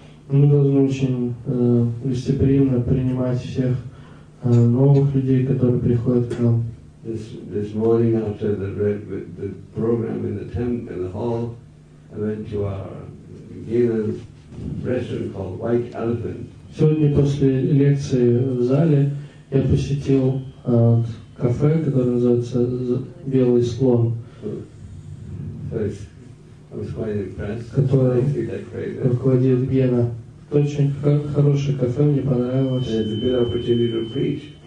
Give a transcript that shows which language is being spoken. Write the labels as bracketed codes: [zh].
[ru] Мы должны очень гостеприимно принимать всех новых людей, которые приходят к нам. [en] This morning after the program in the temple, in the hall, I went to our Gila restaurant called White Elephant. [ru] Сегодня после лекции в зале я посетил кафе, которое называется Белый Слон. [en] So I was quite impressed. [ru] Который руководит Гена. Это очень хорошее кафе, мне понравилось.